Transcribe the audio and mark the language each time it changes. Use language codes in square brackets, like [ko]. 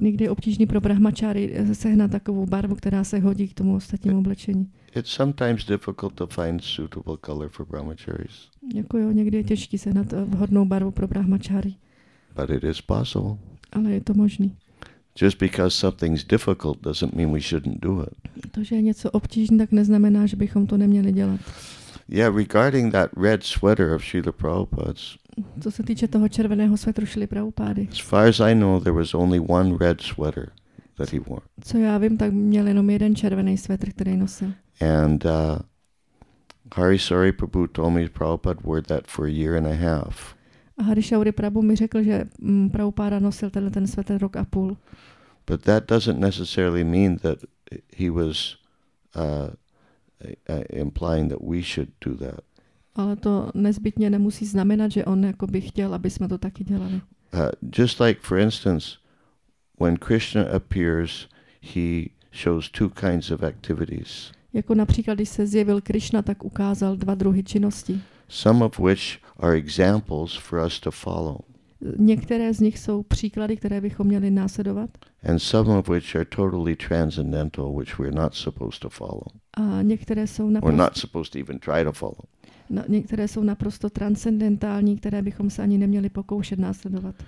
[cs] Někdy je obtížný pro brahmačáry sehnat takovou barvu, která se hodí k tomu ostatnímu oblečení. [en] It's sometimes difficult to find suitable color for brahmacharis. [cs] Jako jo, někdy je těžký sehnat vhodnou barvu pro brahmačáry. [en] But it is possible. [cs] Ale je to možný. [en] Just because something's difficult doesn't mean we shouldn't do it. [cs] To, že je něco obtížné, tak neznamená, že bychom to neměli dělat. [en] Yeah, regarding that red sweater of Srila Prabhupada's. [cs] Co se týče toho červeného svetru Šily Prabhupády. [en] As far as I know, there was only one red sweater that he wore. [cs] Co já vím, tak měl jenom jeden červený svetr, který nosil. [en] And Harisari Prabhu told me Prabhupada wore that for a year and a half. [cs] A Harisari Prabhu mi řekl, že Prabhupáda nosil tenhle ten svetr rok a půl. [en] But that doesn't necessarily mean that he was implying that we should do that. [cs] Ale to nezbytně nemusí znamenat, že on jako by chtěl, aby jsme to taky dělali. [en] Just like for instance, when Krishna appears, he shows two kinds of activities. [cs] Jako například, když se zjevil Krishna, tak ukázal dva druhy činnosti. [en] Some of which are examples for us to follow. [cs] Některé z nich jsou příklady, které bychom měli následovat. [en] And some of which are totally transcendental, which we're not supposed to follow. [cs] A některé jsou [en] We're not supposed to even try to follow. [cs] No, některé jsou naprosto transcendentální, které bychom se ani neměli pokoušet následovat.